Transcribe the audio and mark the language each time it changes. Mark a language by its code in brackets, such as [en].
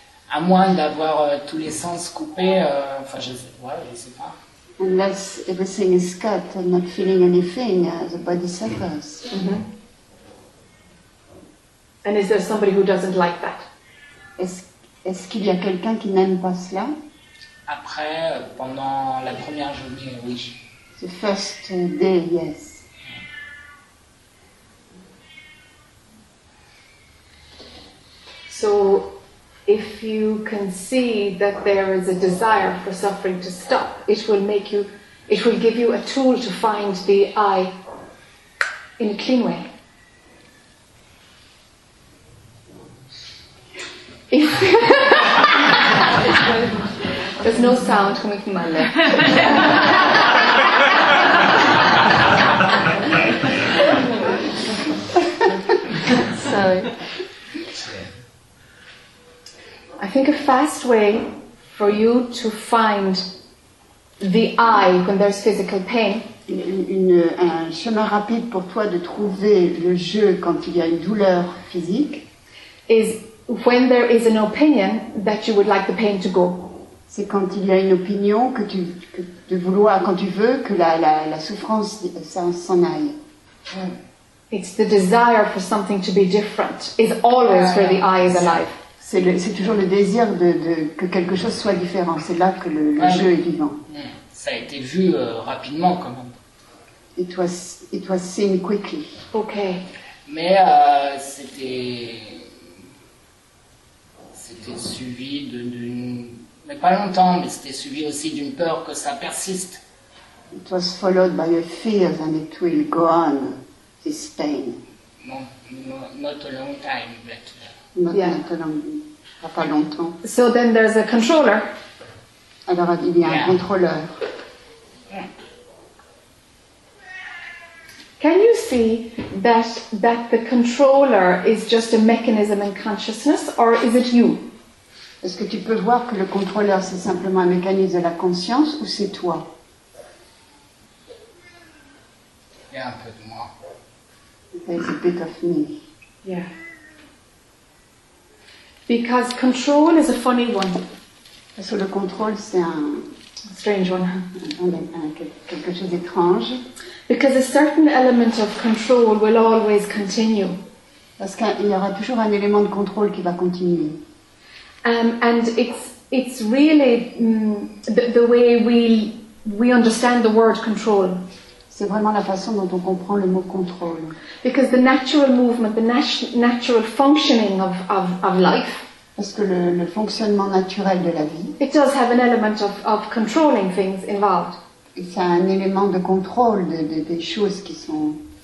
[fr] À moins d'avoir tous les sens coupés, je sais pas. [en] Unless everything is cut and not feeling anything, the body suffers. Mm-hmm. And is there somebody who doesn't like that? [fr] Est-ce qu'il y a quelqu'un qui n'aime pas cela? Après, pendant la première journée, oui. [en] The first day, yes. So, if you can see that there is a desire for suffering to stop, it will give you a tool to find the I in a clean way. There's no sound coming from my lips. Sorry. I think a fast way for you to find the I when there's physical pain. [fr] Un chemin rapide pour toi de trouver le je quand il y a une douleur physique. [en] Is when there is an opinion that you would like the pain to go. [fr] C'est quand il y a une opinion que tu veux que la souffrance s'en aille. [en] It's the desire for something to be different is always where the I is alive. [fr] C'est toujours le désir de que quelque chose soit différent. C'est là que le jeu est vivant. Ça a été vu rapidement, quand même. [en] It was seen quickly. Okay. [fr] Mais c'était suivi d'une... Mais pas longtemps, mais c'était suivi aussi d'une peur que ça persiste. [en] It was followed by a fear that it will go on, this pain. Not a long time, but... [fr] Pas longtemps. [en] So then there's a controller. [fr] Alors il y a un contrôleur. [en] Can you see that the controller is just a mechanism in consciousness, or is it you? [fr] Est-ce que tu peux voir que le contrôleur c'est simplement un mécanisme de la conscience ou c'est toi? Il y a un peu de moi. [en] There's a bit of me. Yeah. Because control is a funny one. [fr] So le contrôle c'est un [en] strange one. [fr] Quelque chose d'étrange. [en] Because a certain element of control will always continue. [fr] Parce qu'il y aura toujours un élément de contrôle qui va continuer. [en] And it's really the way we understand the word control. [fr] C'est vraiment la façon dont on comprend le mot contrôle. [en] Because the natural movement, the natural functioning of life. [fr] Parce que le fonctionnement naturel de la vie. [en] It does have an element of controlling things involved. [fr] Ça a un élément de contrôle des choses qui sont.